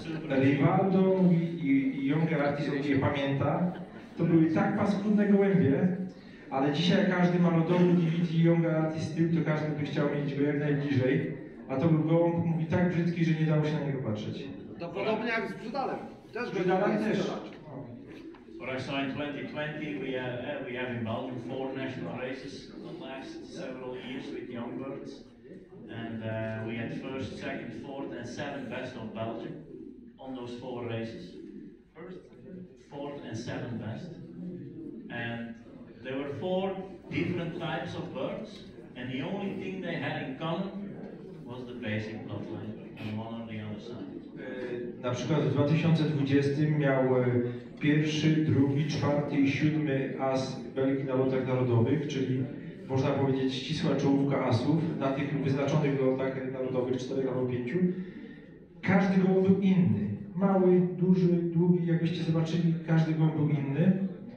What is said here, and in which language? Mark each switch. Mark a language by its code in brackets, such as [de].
[pl] Rivaldo i Young Artist, jak się pamięta, to były tak paskudne gołębie, ale dzisiaj każdy ma lodowy DVD i Young Artist tył, to każdy by chciał mieć go jak najbliżej, a to był gołąb, mówi, tak brzydki, że nie dało się na niego patrzeć. To podobnie jak z Brzydalem. Też Brzydalem też. [en] But I saw in 2020 we have in Belgium 4 national races in the last several years with young birds, and we had first, second, fourth, and seventh best of Belgium on those 4 races. First, fourth, and seventh best, and there were 4 different types of birds, and the only thing they had in common was the basic bloodline on one or the other side. [pl] Na przykład w 2020 miał pierwszy, drugi, czwarty i siódmy as Belgii na lotach narodowych, czyli można powiedzieć ścisła czołówka asów na tych wyznaczonych lotach narodowych, 4 albo 5. Każdy gołąb był inny. Mały, duży, długi, jakbyście zobaczyli, każdy gołąb był inny.